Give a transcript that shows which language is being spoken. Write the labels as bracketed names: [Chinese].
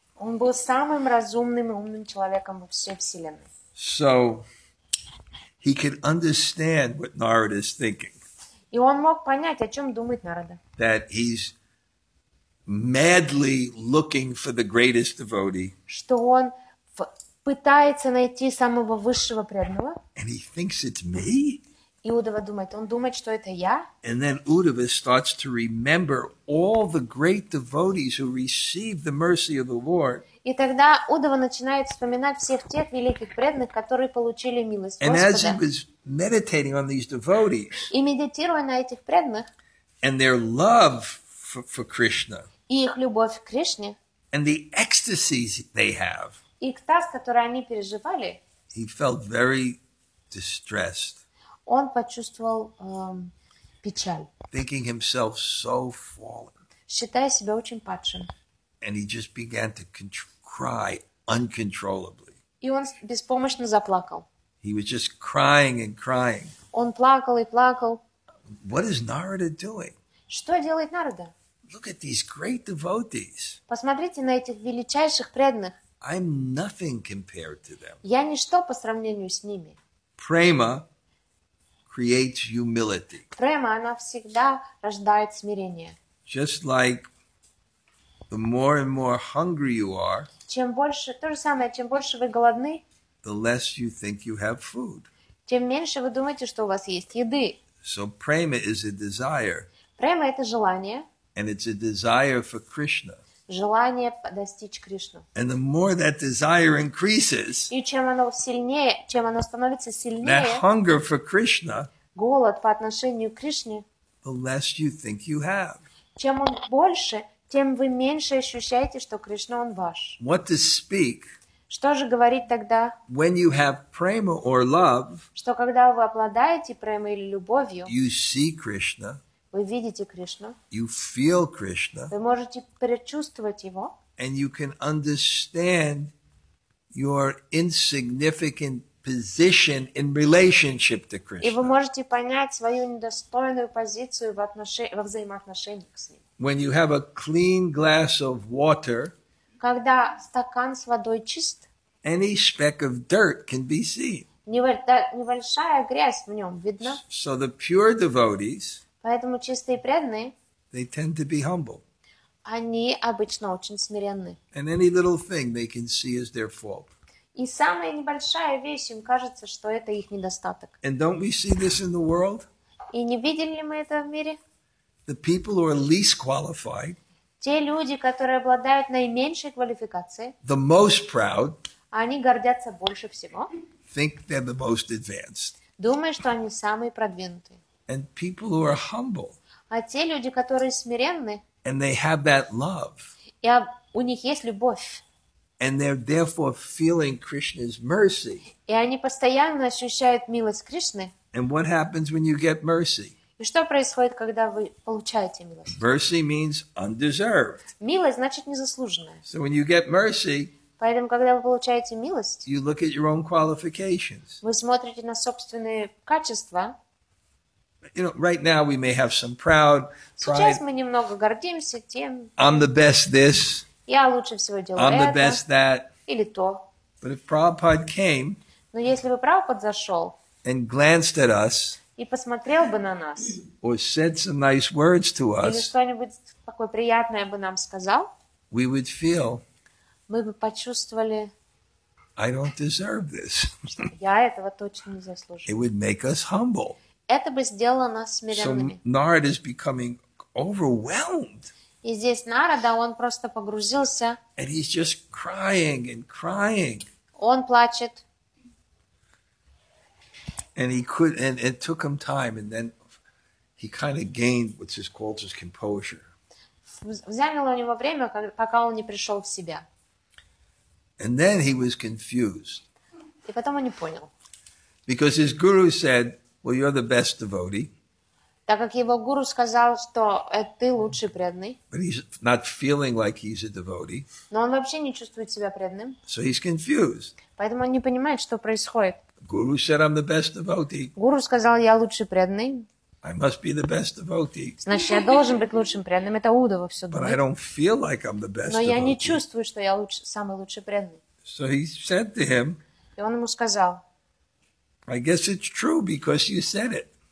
[Russian] Он был самым разумным и умным человеком во всей вселенной. [English] So he could understand what Narada is thinking. [Russian] И он мог понять, о чем думает Нарада. [English] That he's madly looking for the greatest devotee. [Russian] Что он пытается найти самого высшего преданного. [English] And he thinks it's me? [Russian] И Удава думает, он думает, что это я. [English] And then Udava starts to remember all the great devotees who received the mercy of the Lord. [Russian] И тогда Удава начинает вспоминать всех тех великих преданных, которые получили милость [English] and [Russian] Господа. [English] As he was meditating on these devotees, [Russian] и медитируя на этих преданных, [English] and their love for Krishna, [Russian] и их любовь к Кришне, [English] and the ecstasies they have, [Russian] и экстаз, который они переживали, [English] he felt very distressed. [Russian] Он почувствовал печаль. [English] Thinking himself so fallen. [Russian] Считая себя очень падшим. [English] And he just began to cry uncontrollably. [Russian] И он беспомощно заплакал. [English] He was just crying and crying. [Russian] Он плакал и плакал. [English] What is Narada doing? [Russian] Что делает Нарада? [English] Look at these great devotees. [Russian] Посмотрите на этих величайших преданных. [English] I'm nothing compared to them. [Russian] Я ничто по сравнению с ними. [English] Prema creates humility. [Russian] Према, она всегда рождает смирение. [English] Just like the more and more hungry you are, [Russian] чем больше, то же самое, чем больше вы голодны, [English] the less you think you have food. [Russian] Тем меньше вы думаете, что у вас есть еды. [English] So prema is a desire. [Russian] Према — это желание. [English] And it's a desire for Krishna. [Russian] Желание достичь Кришну. [English] And the more that desire increases, [Russian] и чем оно сильнее, чем оно становится сильнее, [English] that hunger for Krishna, [Russian] голод по отношению к Кришне, [English] the less you think you have. [Russian] Чем он больше, тем вы меньше ощущаете, что Кришна он ваш. [English] What to speak, [Russian] что же говорить тогда, [English] when you have prema or love, [Russian] что когда вы обладаете премой или любовью, [English] you see Krishna. [Russian] Вы видите Кришну. [English] You feel Krishna. [Russian] Вы можете предчувствовать его. [English] And you can understand your insignificant position in relationship to Krishna. [Russian] И вы можете понять свою недостойную позицию во взаимоотношениях с ним. [English] When you have a clean glass of water, [Russian] когда стакан с водой чист, [English] any speck of dirt can be seen. [Russian] Небольшая грязь в нем видна. [English] So the pure devotees, [Russian] поэтому чистые преданные, [English] they tend to be humble. [Russian] Они обычно очень смиренны. [English] And any little thing they can see is their fault. [Russian] И самая небольшая вещь им кажется, что это их недостаток. [English] And don't we see this in the world? [Russian] И не видели мы это в мире? [English] The people who are least qualified, [Russian] те люди, которые обладают наименьшей квалификацией, [English] the most proud, [Russian] они гордятся больше всего, [English] think they're the most advanced. [Russian] Думая, что они самые продвинутые. [English] And people who are humble, [Russian] а те люди, которые смиренны, [English] and they have that love, [Russian] и у них есть любовь, [English] and they're therefore feeling Krishna's mercy, [Russian] и они постоянно ощущают милость Кришны. [English] And what happens when you get mercy? [Russian] И что происходит, когда вы получаете милость? [English] Mercy means undeserved. [Russian] Милость значит незаслуженная. [English] So when you get mercy, [Russian] поэтому, когда вы получаете милость, [English] you look at your own qualifications. [Russian] Вы смотрите на собственные качества. [English] You know, right now we may have some proud pride. [Russian] Сейчас мы немного гордимся тем. [English] I'm the best this. [Russian] Я лучше всего делаю это. [English] I'm the best that. [Russian] Или то. [English] But if Prabhupada came, [Russian] но если бы Прабхупад зашел, [English] and glanced at us, [Russian] и посмотрел бы на нас, [English] or said some nice words to us, [Russian] или что-нибудь такое приятное бы нам сказал, [English] we would feel, [Russian] мы бы почувствовали, [English] I don't deserve this. [Russian] Я этого точно не заслуживаю. [English] It would make us humble. [Russian] Это бы сделало нас смиренными. [English] So Narad is becoming overwhelmed. [Russian] И здесь Нарада, он просто погрузился. [English] And he's just crying and crying. [Russian] Он плачет. [English] And he could, and it took him time, and then he kind of gained what's his called his composure. [Russian] Взяло у него время, пока он не пришел в себя. [English] And then he was confused. [Russian] И потом он не понял. [English] Because his guru said, "Well, you're the best devotee." [Russian] Так как его гуру сказал, что ты лучший преданный. [English] But he's not feeling like he's a devotee. [Russian] Но он вообще не чувствует себя преданным. [English] So he's confused. [Russian] Поэтому он не понимает, что происходит. [English] Guru said, "I'm the best devotee." [Russian] Гуру сказал, я лучший преданный. [English] I must be the best devotee. [Russian] Значит, я должен быть лучшим преданным. Это Удава все думает. [English] But I don't feel like I'm the best [Russian] Но [English] devotee. [Russian] Я не чувствую, что я самый лучший преданный. [English] So he said to him. [Russian] И он ему сказал. [English] I guess it's true because you said it.